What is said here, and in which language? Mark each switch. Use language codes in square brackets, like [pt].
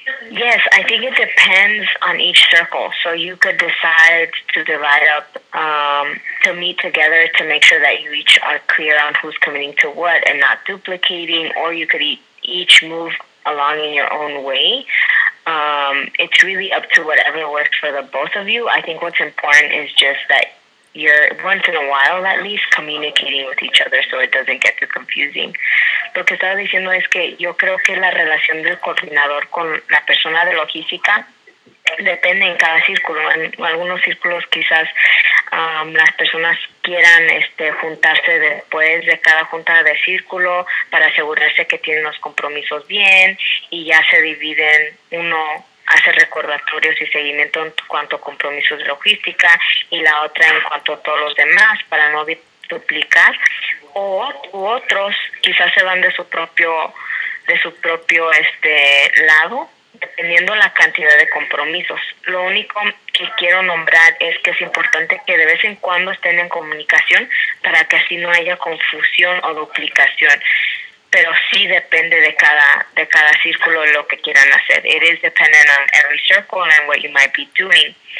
[en] Yes, I think it depends on each circle. So you could decide to divide up, to meet together to make sure that you each are clear on who's committing to what and not duplicating, or you could each move along in your own way. It's really up to whatever works for the both of you. I think what's important is just that you're once in a while at least communicating with each other so it doesn't get too confusing. [es] Lo que estaba diciendo es que yo creo que la relación del coordinador con la persona de logística depende en cada círculo. En algunos círculos quizás las personas quieran juntarse después de cada junta de círculo para asegurarse que tienen los compromisos bien y ya se dividen, uno hace recordatorios y seguimiento en cuanto a compromisos de logística y la otra en cuanto a todos los demás para no duplicar. O u otros quizás se van de su propio lado, dependiendo la cantidad de compromisos. Lo único que quiero nombrar es que es importante que de vez en cuando estén en comunicación para que así no haya confusión o duplicación. Pero sí depende de cada círculo lo que quieran hacer. [en] It is dependent on every circle and what you might be doing.